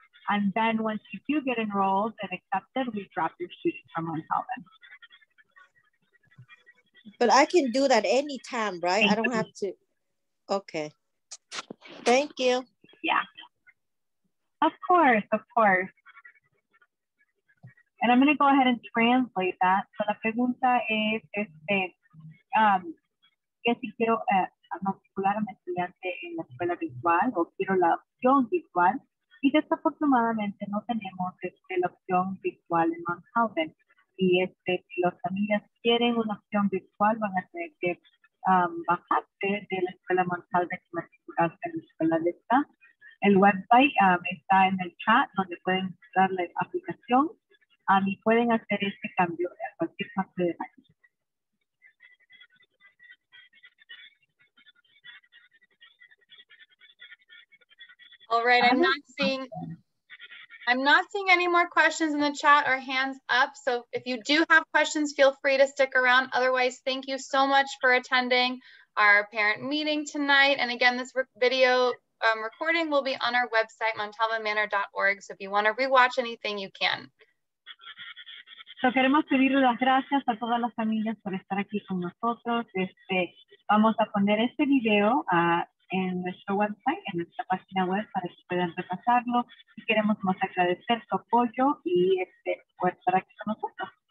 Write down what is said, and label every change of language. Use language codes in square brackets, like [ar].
[en] And then once you do get enrolled and accepted, we drop your student from Montalvin. But I can do that anytime, right? I don't have to. Okay. Thank you. Yeah. Of course, of course. And I'm gonna go ahead and translate that. [es] So la pregunta es, que si quiero matricular a mi estudiante en la escuela virtual o quiero la opción virtual, y desafortunadamente no tenemos la opción virtual en Montalvin. Y si las familias quieren una opción virtual, van a tener que bajarse de la escuela Montalvin y matricularse en la escuela de esta. El website está en el chat donde pueden buscar la aplicación. y pueden hacer este cambio a cualquier parte de la isla. [en] All right, I'm not seeing any more questions in the chat or hands up. So if you do have questions, feel free to stick around. Otherwise, thank you so much for attending our parent meeting tonight. And again, this video recording will be on our website, montalvomanor.org. So if you want to rewatch anything, you can. [es] So queremos pedirle las gracias a todas las familias por estar aquí con nosotros. Vamos a poner este video en nuestro website, en nuestra página web, para que puedan repasarlo. Y queremos más agradecer su apoyo y por estar aquí con nosotros.